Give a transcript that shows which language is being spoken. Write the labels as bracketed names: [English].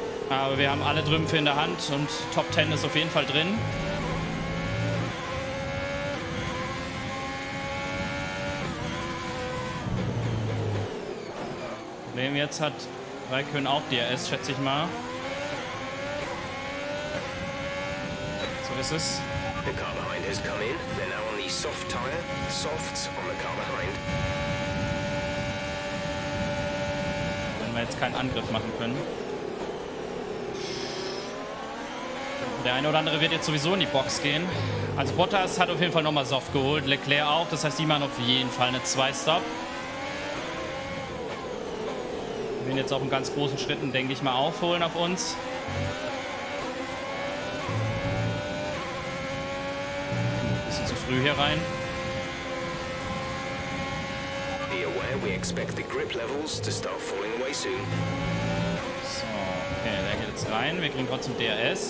[German] Aber wir haben alle Trümpfe in der Hand und Top 10 ist auf jeden Fall drin. Problem jetzt hat Raikön auch DRS, schätze ich mal. So ist es. [English] The car behind has come in. They're now on the soft tire. Softs on the car behind. [German] Wenn wir jetzt keinen Angriff machen können. Der eine oder andere wird jetzt sowieso in die Box gehen. Also Bottas hat auf jeden Fall nochmal Soft geholt, Leclerc auch. Das heißt, die machen auf jeden Fall eine 2-Stop. Wir werden jetzt auch in ganz großen Schritten, denke ich mal, aufholen auf uns. Ein bisschen zu früh hier rein. [English] Be aware, we expect the grip levels to start falling away soon. [German] Okay, der geht jetzt rein. Wir kriegen trotzdem DRS.